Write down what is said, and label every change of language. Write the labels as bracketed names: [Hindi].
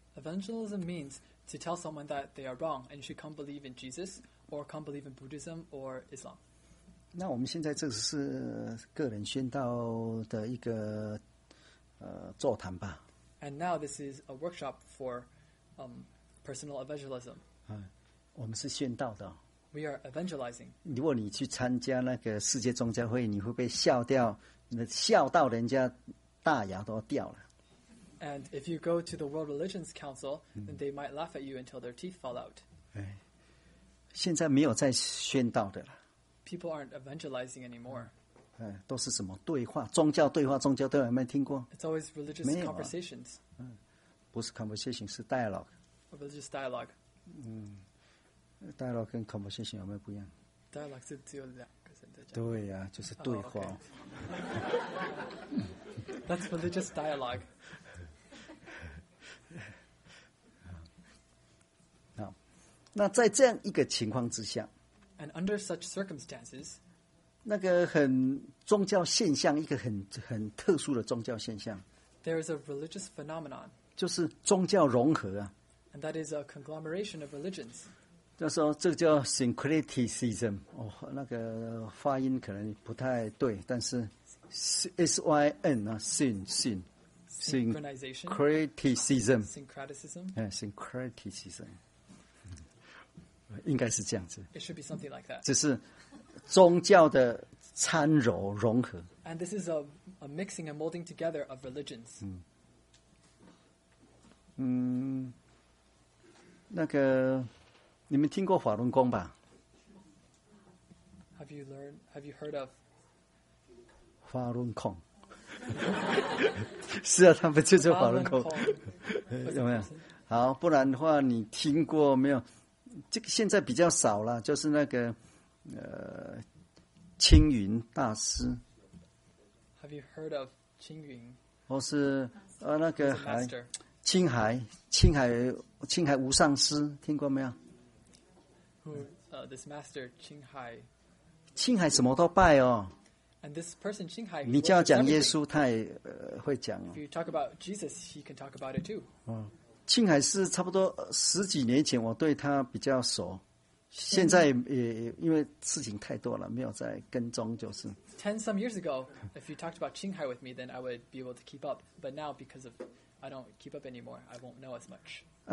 [English] Evangelism means to tell someone that they are wrong, and you should come believe in Jesus, or come believe in Buddhism, or Islam. [Chinese] 那我们现在这是个人宣道的一个 [English] And now this is a workshop for personal evangelism. [Chinese] 我们是宣道的。 [English] We are evangelizing. [Chinese] 如果你去参加那个世界宗教会，你会被笑掉，笑到人家大牙都掉了。 [English] And if you go to the World Religions Council, then they might laugh at you until their teeth fall out. [Chinese] 现在没有在宣道的了。 [English] People aren't evangelizing anymore. [Chinese] 都是什么对话，宗教对话，宗教对话，有没有听过？ [English] It's always religious [Chinese] 没有啊, [English] conversations. [Chinese] 不是 conversation, 是 dialogue. [English] A religious dialogue. [Chinese] Dialogue 跟 conversation 有没有不一样？ Dialogue 是只有两个人在讲。对呀, 就是对话。 [English] Oh, okay. That's religious dialogue. [Chinese] 好, 那在这样一个情况之下, [English] And under such circumstances, [Chinese] 那个很宗教现象，一个很特殊的宗教现象。 [English] There is a religious phenomenon. [Chinese] 就是宗教融合啊。 [English] And that is a conglomeration of religions. [Chinese] 就是说这个叫 syncretism， 哦，那个发音可能不太对，但是 syn 啊 syn [English] synchronization syncretism syncretism， [Chinese] 哎 syncretism， 应该是这样子。 [English] It should be something like that. [Chinese] 只是 宗教的掺揉融合， [English] and this is a mixing and molding together of religions. [Chinese] 那个你们听过法轮功吧？ [English] Have you heard of [Chinese] 法轮功？是啊，他们就是法轮功。有没有？好，不然的话你听过没有？这个现在比较少了，就是那个 青云大师， [English] Have you heard of Qingyun? [Chinese] 或是, 那个海, 青海无上师, 听过没有? [English] Who, this master, Qinghai. [Chinese] 青海什么都拜哦。 [English] And this person, Qinghai, [Chinese] 你叫讲耶稣, 他也会讲哦。 [English] If you talk about Jesus, he can talk about it too. [Chinese] 青海是差不多十几年前我对他比较熟。现在也因为事情太多了，没有再跟踪就是。 [English] Ten some years ago, if you talked about Qinghai with me, then I would be able to keep up. But now, because of I don't keep up anymore, I won't know as much.